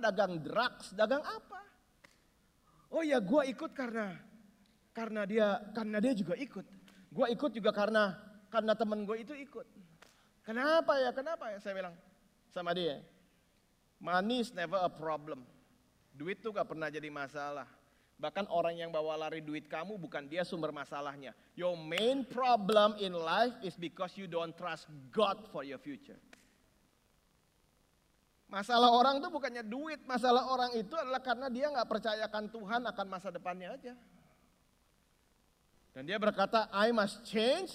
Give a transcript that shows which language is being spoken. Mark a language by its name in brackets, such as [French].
[Indonesian] Dagang drugs, dagang apa?" "Oh ya, gue ikut karena dia juga ikut. Gue ikut juga karena temen gue itu ikut." Kenapa ya? Saya bilang sama dia, [English] "Money is never a problem. [Indonesian] Duit tuh gak pernah jadi masalah. Bahkan orang yang bawa lari duit kamu, bukan dia sumber masalahnya. [English] Your main problem in life is because you don't trust God for your future." [Indonesian] Masalah orang itu bukannya duit. Masalah orang itu adalah karena dia gak percayakan Tuhan akan masa depannya aja. Dan dia berkata, [English] "I must change."